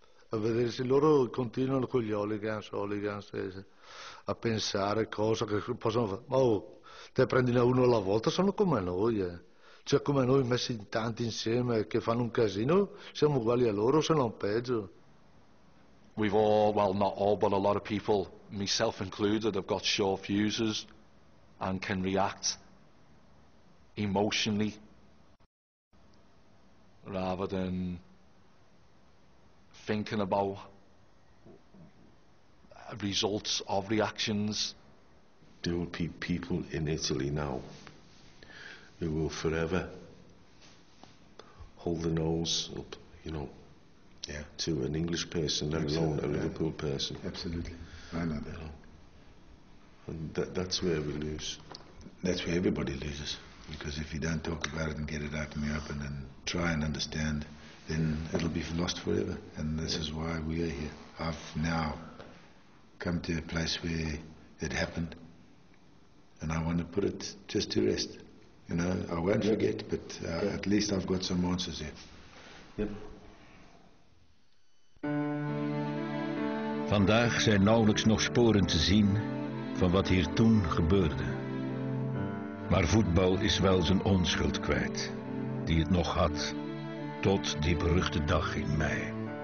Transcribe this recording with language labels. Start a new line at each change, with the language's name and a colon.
Italian: A vedere se loro continuano con gli hooligans, a pensare cosa che possono fare. Ma te prendine uno alla volta, sono come noi. Cioè come noi messi in tanti insieme che fanno un casino, siamo uguali a loro, se non peggio.
English: We've all, well not all, but a lot of people, myself included, have got short fuses and can react emotionally rather than thinking about results of reactions. There will be people in Italy now who will forever hold the nose up, you know. Yeah. To an English person, let alone a Liverpool person. Absolutely. I know that. And that's where we lose. That's where everybody loses. Because if you don't talk about it and get it out in the open and try and understand, then it'll be lost forever. And this is why we are here. I've now come to a place where it happened. And I want to put it just to rest. You know, I won't forget, but at least I've got some answers here. Yep.
Dutch: Vandaag zijn nauwelijks nog sporen te zien van wat hier toen gebeurde. Maar voetbal is wel zijn onschuld kwijt, die het nog had, tot die beruchte dag in mei.